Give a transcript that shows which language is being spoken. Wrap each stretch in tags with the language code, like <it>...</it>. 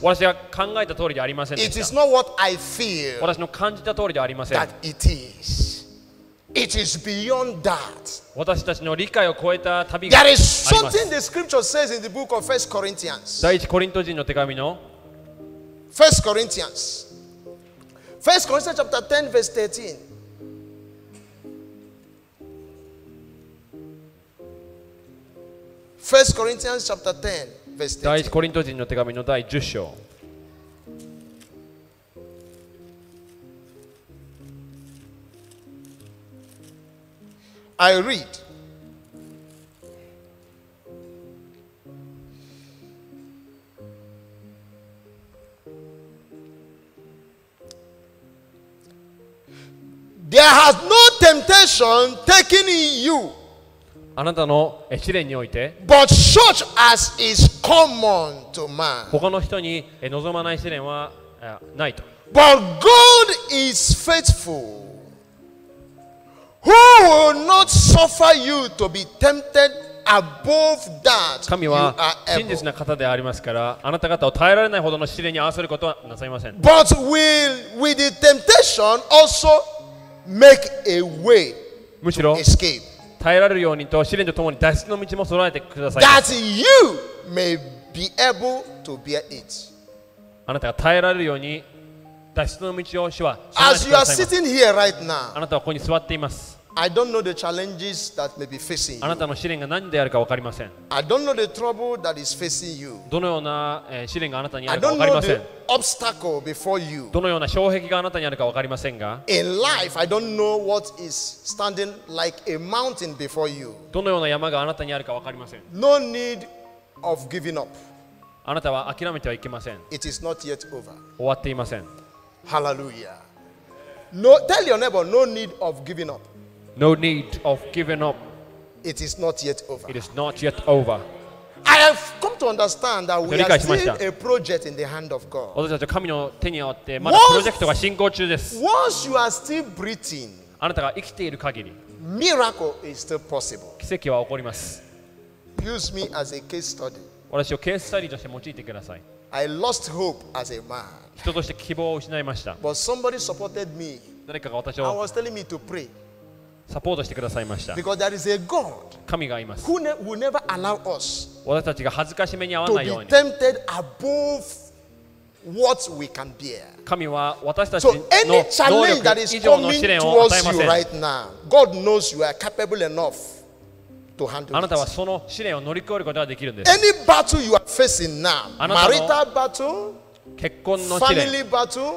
<ja>私が考えた通りではありませんでした。</ja> <en>It is not what I feel.</en> <ja>私の感じた通りではありません。</ja> <en>That it is. It is beyond that.</en> <ja>私たちの理解を超えた旅があります</ja> <en>There is something the scripture says in the book of 1 Corinthians.</en> <ja>第一コリント人の手紙の</ja> <en>First Corinthians. First Corinthians chapter 10 verse 13. First Corinthians chapter 10 verse 13.</en> <ja>第一コリント人の手紙の第10章。</ja> <en>I read. There has no temptation taken in you.</en> <ja>あなたの試練において、</ja> <en>but such as is common to man.</en> <ja>他の人に望まない試練はないと。</ja> <en>But God is faithful, who will not suffer you to be tempted above that.</en> <ja>神は真実な方でありますから、あなた方を耐えられないほどの試練に合わせることはなさいません。</ja> <en>But will with the temptation also make a way to escape.</en> <ja>耐えられるようにと試練とともに脱出の道も備えてください。</ja> <en>That you may be able to bear it.</en> <ja>あなたが耐えられるように脱出の道を主は備えてください。</ja> <en>As you are sitting here right now,</en> <ja>あなたはここに座っています。</ja> <en>I don't know the challenges that may be facing you.</en> <ja>あなたの試練が何であるか分かりません。</ja> <en>I don't know the trouble that is facing you.</en> <ja>どのような試練があなたにあるか分かりません。</ja> <en>I don't know the obstacle before you.</en> <ja>どのような障壁があなたにあるか分かりませんが。</ja> <en>In life, I don't know what is standing like a mountain before you.</en> <ja>どのような山があなたにあるか分かりません。</ja> <en>No need of giving up.</en> <ja>あなたは諦めてはいけません。</ja> <en>It is not yet over.</en> <ja>終わっていません。</ja> <en>Hallelujah. No, tell your neighbor, no need of giving up. No need of giving up. It is not yet over. It is not yet over. I have come to understand that we are still a project in the hand of God.</en> <ja>私たちは神の手にあってまだプロジェクトが進行中です。</ja> <en>Once you are still breathing,</en> <ja>あなたが生きている限り、</ja> <en>miracle is still possible.</en> <ja>奇跡は起こります。</ja> <en>Use me as a case study.</en> <ja>私をケーススタディとして用いてください。</ja> <en>I lost hope as a man.</en> <ja>人として希望を失いました。</ja> <en>But somebody supported me.</en> <ja>誰かが私を。</ja> <en>I was telling me to pray.</en> <ja>サポートしてくださいました。</ja> <en>Because there is a God</en> <ja>神がいます。</ja> <en>Who will never allow us</en> <ja>私たちが恥ずかしめに遭わないように。</ja> <en>To be tempted above what we can bear.</en> <ja>神は私たちの能力以上の試練を与えません。</ja> <en>So any challenge that is coming towards you right now, God knows you are capable enough to handle it.</en> <ja>あなたはその試練を乗り越えることができるんです。</ja> <en>Any battle you are facing now, marital battle,</en> <ja>結婚の試練、</ja> <en>family battle,</en>